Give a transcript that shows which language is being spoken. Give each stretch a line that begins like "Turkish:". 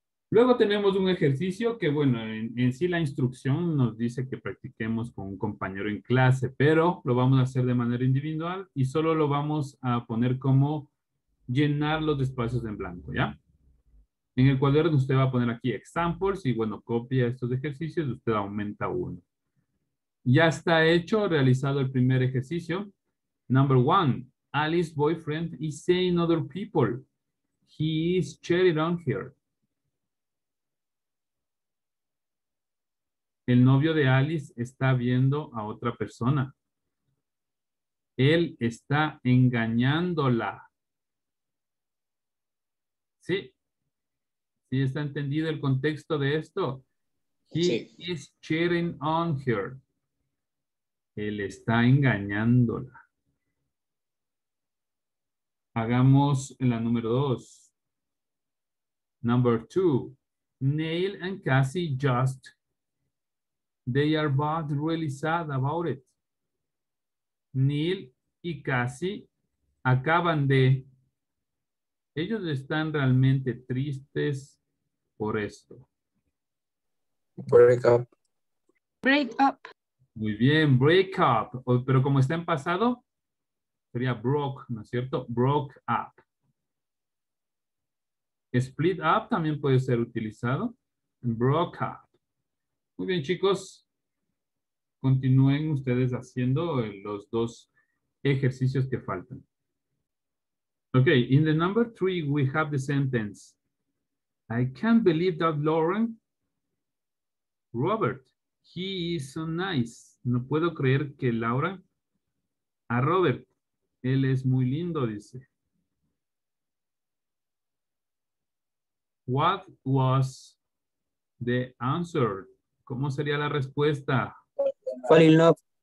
Spanish: Luego tenemos un ejercicio que, bueno, en sí la instrucción nos dice que practiquemos con un compañero en clase, pero lo vamos a hacer de manera individual y solo lo vamos a poner como llenar los espacios en blanco, ¿ya? En el cuaderno usted va a poner aquí examples y, bueno, copia estos ejercicios y usted aumenta uno. Ya está hecho, realizado el primer ejercicio.
English: Number one, Alice's boyfriend is seeing other people. He is cheating on her.
Spanish: El novio de Alice está viendo a otra persona. Él está engañándola. ¿Sí? ¿Sí está entendido el contexto de esto?
English: He is cheating on her.
Spanish: Él está engañándola. Hagamos la número dos.
English: Number two, Neil and Cassie just, they are both really sad about it.
Spanish: Neil y Cassie acaban de, ellos están realmente tristes por esto.
English: Break up. Break up.
Spanish: Muy bien, break up. Pero como está en pasado, sería broke, ¿no es cierto?
English: Broke up.
Spanish: Split up también puede ser utilizado. Broke up. Muy bien, chicos. Continúen ustedes haciendo los dos ejercicios que faltan.
English: Okay, in the number three, we have the sentence. I can't believe that Lauren, Robert, he is so nice.
Spanish: No puedo creer que Laura, a Robert, él es muy lindo, dice.
English: What was the answer?
Spanish: ¿Cómo sería la respuesta?
English: Fall in love.